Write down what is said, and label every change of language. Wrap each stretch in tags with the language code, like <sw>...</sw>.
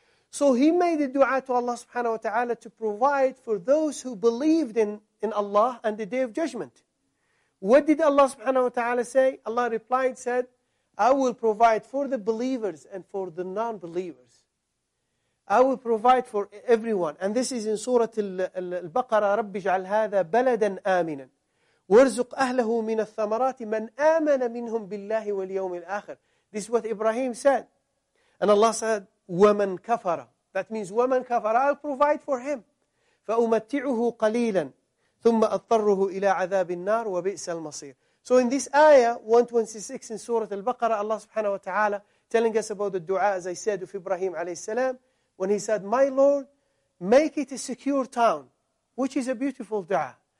<en>So he made a dua to Allah subhanahu wa ta'ala to provide for those who believed in Allah and the Day of Judgment. What did Allah subhanahu wa ta'ala say? Allah replied, said, I will provide for the believers and for the non-believers. I will provide for everyone. And this is in Surah Al-Baqarah,</en> <ar>رَبِّ جَعَلْ هَذَا بَلَدًا آمِنًا وَارْزُقْ أَهْلَهُ مِنَ الثَّمَرَاتِ مَنْ آمَنَ مِنْهُمْ بِاللَّهِ وَالْيَوْمِ الْآخِرِ.</ar> <en>This is what Ibrahim said. And Allah said,</en> <ar>وَمَنْ كَفَرَ.</ar> <en>That means,</en> <ar>وَمَنْ كَفَرَ,</ar> <en>I'll provide for him.</en> <ar>فَأُمَتِّعُهُ قَلِيلًا ثُمَّ أَضْطَرُّهُ إِلَىٰ عَذَابِ النَّارِ وَبِئْسَ الْمَصِيرِ.</ar> <en>So in this ayah, 126 in Surah Al-Baqarah, Allah subhanahu wa ta'ala telling us about the dua, as I said, of Ibrahim alayhi salam, when he said, my Lord, make it a secure town, which is a beautiful dua.</en>